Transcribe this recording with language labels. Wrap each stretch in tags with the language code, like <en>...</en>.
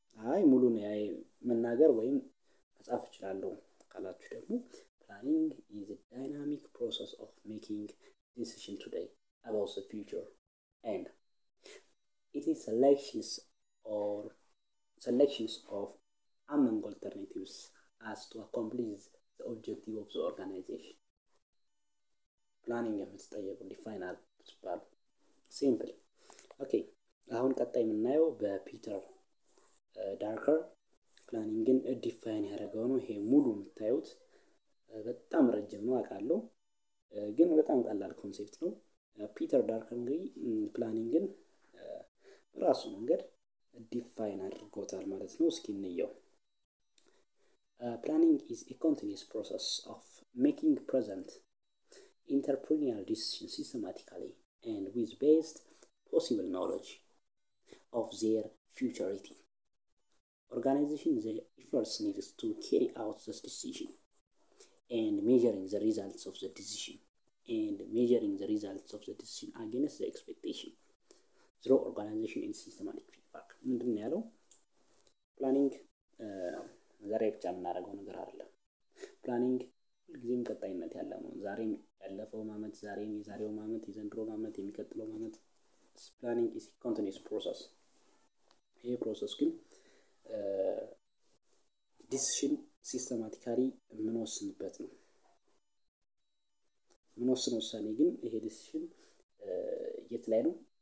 <am>አይ ሙሉ ነው ያይ መናገር ወይም መጻፍ ይችላሉ ካላችሁ ደግሞ</am> <en>ፕላኒንግ ኢዝ ዳይናሚክ ፕሮሰስ ኦፍ ሜኪንግ ዲሲዥን ቱዴይ አባውት ዘ ፊውቸር ኤንድ ኢት ኢዝ ሴሌክሽንስ ኦፍ among alternatives as to accomplish the objective of the organization. Planning is the final part. Simple. Okay.</en> <am>አሁን ቀጣይ የምናየው በፒተር ዳርከር planning in a define ያደረገው ነው። ይሄ ሙሉ የምታዩት በጣም ረጅም ነው አውቃለሁ፣ ግን በጣም ቀላል ኮንሴፕት ነው። ፒተር ዳርከር እንግዲህ planning in ራሱ መንገድ define አድርጎታል ማለት ነው። እስኪ እንየው።</am> <en>Planning is a continuous process of making present entrepreneurial decisions systematically and with best possible knowledge of their futurity. Organizing the efforts needed to carry out this decision and measuring the results of the decision against the expectation through organization and systematic feedback.</en> <am>ምንድን ያለው? Planning ዛሬ ብቻ እናደርገው ነገር አይደለም። ፕላኒንግ ሁልጊዜም ቀጣይነት ያለው ነው። ዛሬም ያለፈው ማመት፣ ዛሬም የዛሬው ማመት፣ የዘንድሮ ማመት፣ የሚቀጥለው ማመት።</am> <en>ፕላኒንግ ኢስ ኮንቲኒስ ፕሮሰስ።</en> <am>ይህ ፕሮሰስ ግን ዲሲሽን ሲስተማቲካሊ የምንወስንበት ነው። የምንወስነው ውሳኔ ግን ይሄ ዲሲሽን የት ላይ ነው?</am>